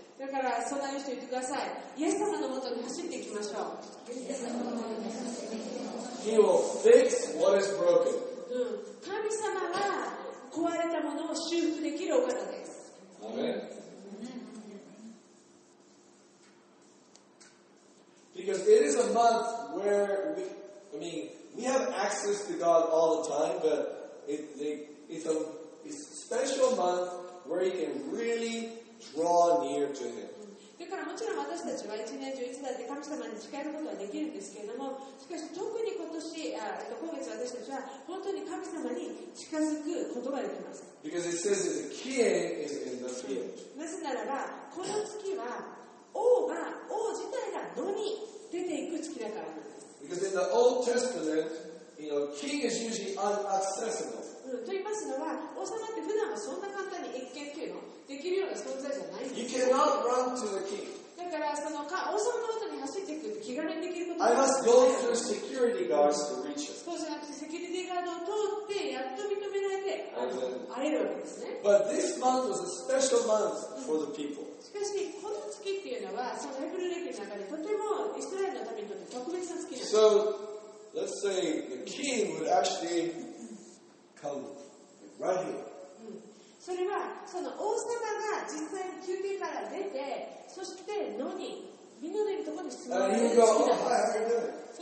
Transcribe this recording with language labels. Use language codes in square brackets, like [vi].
[ja] だから相談してみてください。イエス様のもとに走っていきましょう。 [en] He will fix what is broken. [ja] 神様は壊れたものを修復できるお方です。 [en] Amen. Because it is a month where we have access to God all the time, but it's a special month where you can really draw near to Him. [ja] だからもちろん私たちは1年中いつだって神様に近いことはできるんですけれどもしかし特に今年今月私たちは本当に神様に近づくことができます [en] Because it says the key is in the field. [ja] なぜならばこの月は王自体が炉に出ていく月だからなんです [en] Because in the Old Testament, you know, king is usually unaccessible. [ja] と言いますのは王様って普段はそんな簡単に一見というのできるような存在じゃないんです [en] You cannot run to the king. [ja] だからその王様の元に走っていく気軽にできること [en] は I must go through security guards to reach him. [ja] そうじゃなくてセキュリティガードを通ってやっと認められて会えるわけですね [en] But this month was a special month for the people. [ja] しかしこの月っていうのはそのヘブル歴の中でとてもイスラエルのためにとって特別な月なんです [en] So let's say the king would actually come right here. [ja] それはその王様が実際に宮廷から出てそして野にみんなのいるところに住まれる月なんです、